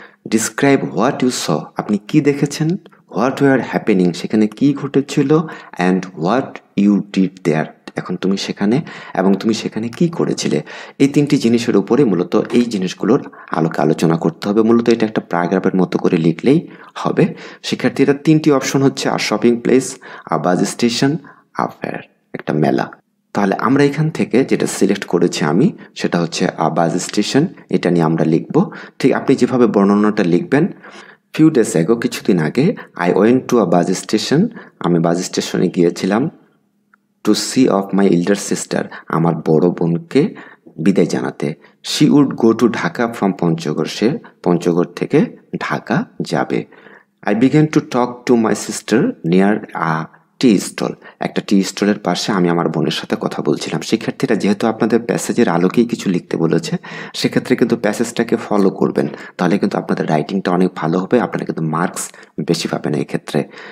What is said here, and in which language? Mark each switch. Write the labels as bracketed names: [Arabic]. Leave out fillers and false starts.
[English] describe what you saw [Bangla] আপনি কী দেখেছেন [English] what you are happening [Bangla] সেখানে কী ঘটেছিল [English] and what you did there [Bangla] এখন তুমি সেখানে এবং তুমি সেখানে কী করেছিলে এই তিনটি জিনিসের উপরে মূলত এই জিনিসগুলোর আলোকে আলোচনা করতে হবে মূলত এটা একটা প্যারাগ্রাফের মতো করে লিখলেই হবে শিক্ষার্থীরা তিনটি অপশন হচ্ছে আ শপিং প্লেস আ বাস স্টেশন আ ফেয়ার একটা মেলা তাহলে আমরা এখান থেকে যেটা সিলেক্ট করেছি আমি সেটা হচ্ছে আ বাস স্টেশন এটা নিয়ে আমরা লিখব ঠিক আপনি যেভাবে বর্ণনাটা লিখবেন [English] few days ago [Bangla] কিছুদিন আগে [English] I went to a bus station [Bangla] আমি বাস স্টেশনে গিয়েছিলাম [English] to see of my elder sister, [Bangla] আমার বড় বোনকে বিদায় জানাতে। [English] She would go to Dhaka from Panchagarh, [Bangla] সে পঞ্চগড় থেকে ঢাকা যাবে। [English] I began to talk to my sister near a tea stall. [Bangla] একটা tea stall-এর পাশে আমি আমার বোনের সাথে কথা বলছিলাম। শিক্ষার্থীরা যেহেতু আপনাদের প্যাসেজের আলোকেই কিছু লিখতে বলেছে, সেক্ষেত্রে কিন্তু প্যাসেজটাকে ফলো করবেন, তাহলে কিন্তু আপনাদের রাইটিংটা অনেক ভালো হবে, আপনারা কিন্তু মার্কস বেশি পাবেন এই ক্ষেত্রে।